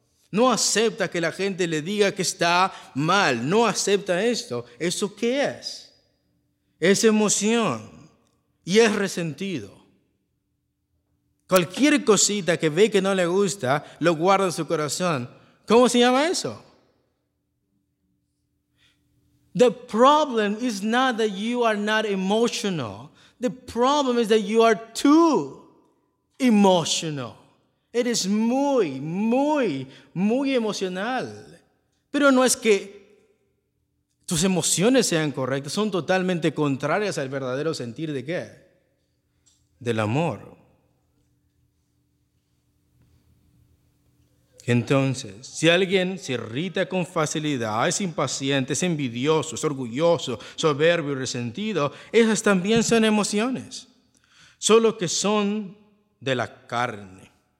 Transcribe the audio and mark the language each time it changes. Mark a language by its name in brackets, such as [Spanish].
[Spanish] No acepta que la gente le diga que está mal. No acepta esto. ¿Eso qué es? Es emoción y es resentido. Cualquier cosita que ve que no le gusta, lo guarda en su corazón. ¿Cómo se llama eso? [English] The problem is not that you are not emotional. The problem is that you are too emotional. [Spanish] Eres muy, muy, muy emocional. Pero no es que tus emociones sean correctas, son totalmente contrarias al verdadero sentir de ¿qué? Del amor. Entonces, si alguien se irrita con facilidad, es impaciente, es envidioso, es orgulloso, soberbio y resentido, esas también son emociones, solo que son de la carne.